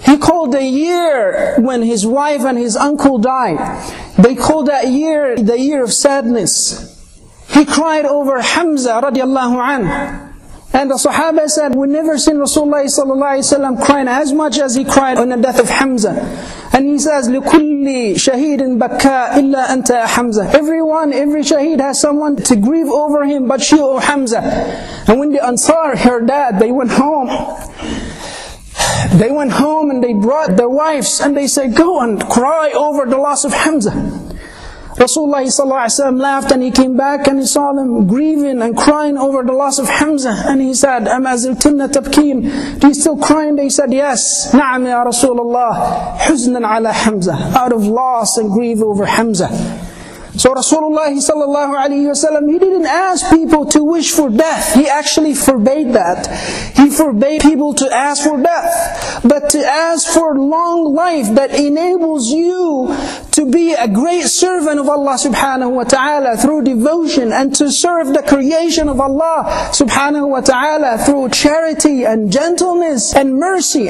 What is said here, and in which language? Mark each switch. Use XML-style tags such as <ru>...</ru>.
<en>He called the year when his wife and his uncle died. They called that year the year of sadness. He cried over Hamza radiallahu anhu. And the Sahaba said, we never seen Rasulullah sallallahu alayhi wa sallam crying as much as he cried on the death of Hamza.</en> <ar>And he says, لِكُلِّ شَهِيدٍ بَكَّى إِلَّا أَنْتَ حَمْزَ.</ar> <en>Every shaheed has someone to grieve over him, but you, O Hamza. And when the Ansar heard that, they went home. They went home and they brought their wives and they said, go and cry over the loss of Hamza. Rasulullah sallallahu alayhi wa sallam laughed and he came back and he saw them grieving and crying over the loss of Hamza.</en> <ar>And he said, أَمَا زِلْتِنَّ تَبْكِينَ.</ar> <en>Do you still crying? They said, yes.</en> <ar>نَعَمْ يَا رَسُولَ اللَّهِ حُزْنًا عَلَى Hamza.</ar> <en>Out of loss and grief over Hamza. So Rasulullah sallallahu alayhi wa sallam, he didn't ask people to wish for death. He actually forbade that. He forbade people to ask for death. But to ask for long life that enables you to be a great servant of Allah subhanahu wa ta'ala through devotion and to serve the creation of Allah subhanahu wa ta'ala through charity and gentleness and mercy.</en>